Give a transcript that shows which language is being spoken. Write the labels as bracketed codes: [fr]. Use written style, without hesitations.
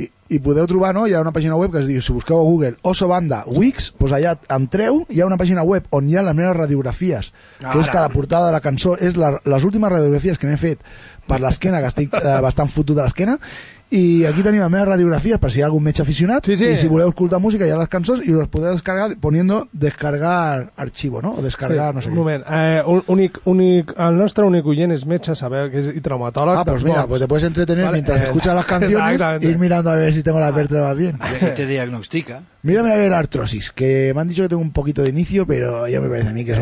[ca] I podeu trobar, no? Hi ha una pàgina web que es diu, si busqueu a Google Oso Banda Wix, pues allà entreu, hi ha una pàgina web on hi ha les meves radiografies, que és cada portada de la cançó, és les últimes radiografies que m'he fet per l'esquena, que estic bastant fotut de l'esquena. I aquí tenim les meves radiografies per si hi ha algun metge aficionat, sí, sí. I si voleu escoltar música hi ha les cançons i les podeu descargar [es] poniendo descargar archivo, [ca] ¿no? [es] O descargar, sí, no sé [ca] un moment, únic, el nostre únic oient és metge, saber que és i traumatòleg. [es] Ah, pues mira, pues te puedes entretener, vale, mientras escuchas las canciones y ir mirando a ver si tengo la vértebra bien. Y te diagnostica. Mírame a ver la artrosis, que me han dicho que tengo un poquito de inicio, pero ya me parece a mí que son